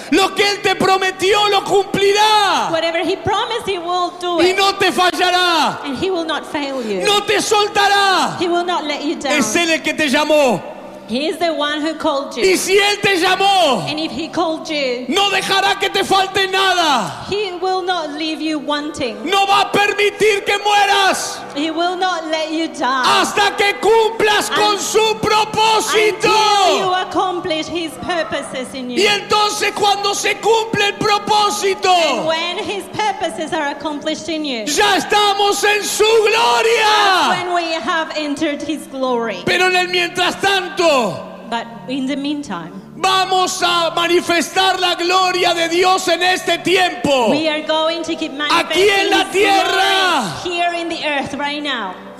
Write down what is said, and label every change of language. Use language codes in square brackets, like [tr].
[es] Lo que Él te prometió lo cumplirá. [en] Whatever He promised, He will do it. [es] Y no te fallará. [en] And He will not fail you. [es] No te soltará. [en] He will not let you down. [es] Es Él el que te llamó. [en] He is the one who called you. [es] Y si Él te llamó, [en] and if He called you, [es] no dejará que te falte nada. [en] He will not leave you wanting. [es] No va a permitir que mueras. [en] He will not let you die. [es] Hasta que cumplas con su propósito. [en] Until you accomplish His purposes in you. [es] Y entonces cuando se cumple el propósito, [en] and when His purposes are accomplished in you, [es] ya estamos en su gloria. [en] That's when we have entered His glory. [es] Pero en el mientras tanto. [en] But in the meantime, [es] vamos a manifestar la gloria de Dios en este tiempo. [en] We are going to keep manifesting [es] aquí en la tierra. [en] Here in the earth right now.